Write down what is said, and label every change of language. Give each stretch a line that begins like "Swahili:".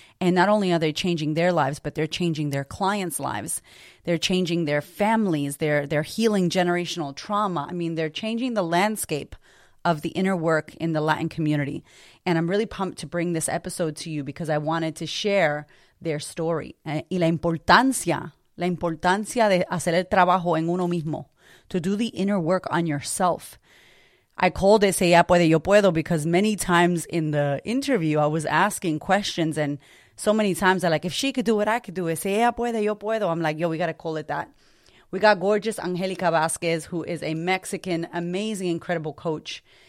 English: And not only are they changing their lives, but they're changing their clients' lives. They're changing their families. They're healing generational trauma. I mean, they're changing the landscape of the inner work in the Latin community. And I'm really pumped to bring this episode to you because I wanted to share their story.
Spanish: Y la importancia de hacer el trabajo en uno mismo,
English: to do the inner work on yourself. I called it, say,
Spanish: ya puede, yo puedo,
English: because many times in the interview, I was asking questions and so many times I'm like, if she could do it, I could do it. Say, ya puede, yo puedo. I'm like, yo, we got to call it that. We got gorgeous Angelica Vasquez, who is a Mexican, amazing, incredible coach.